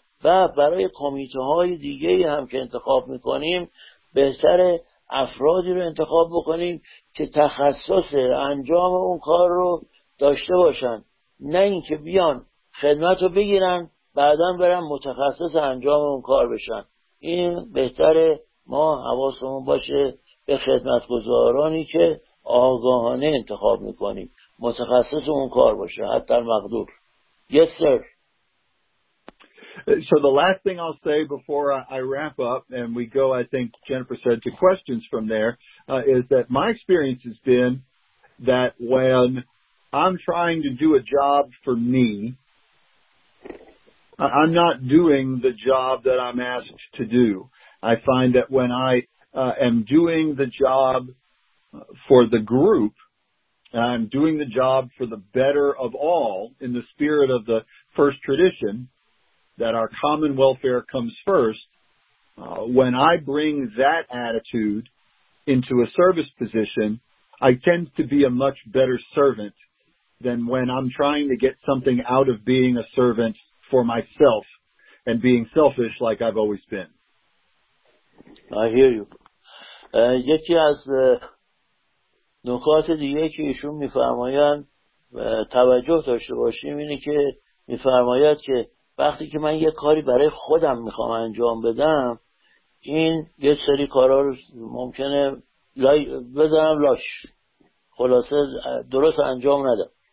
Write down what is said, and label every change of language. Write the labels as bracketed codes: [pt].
[fa] و برای کمیته های دیگه هم که انتخاب میکنیم، بهتر افرادی رو انتخاب بکنیم که تخصص انجام اون کار رو داشته باشن، نه اینکه بیان خدمت رو بگیرن بعدن برن متخصص انجام اون کار بشن. این بهتره ما حواسمون باشه به خدمتگزارانی که آگاهانه انتخاب میکنیم، متخصص اون کار باشه حتی مقدور. [en] Yes sir. So the last thing I'll say before I wrap up and we go, I think Jennifer said, to questions from there, is that my experience has been that when I'm trying to do a job for me, I'm not doing the job that I'm asked to do. I find that when I am doing the job for the group, I'm doing the job for the better of all in the spirit of the first tradition, that our common welfare comes first. When I bring that attitude into a service position, I tend to be a much better servant than when I'm trying to get something out of being a servant for myself and being selfish like I've always been. I hear you. [fa] یکی از نکات دیگه که ایشون میفرماین توجه داشته باشیم اینه که میفرماید که وقتی که من یک کاری برای خودم میخوام انجام بدم، این یک سری کارها رو ممکنه بذارم لاش، خلاصه درست انجام ندم.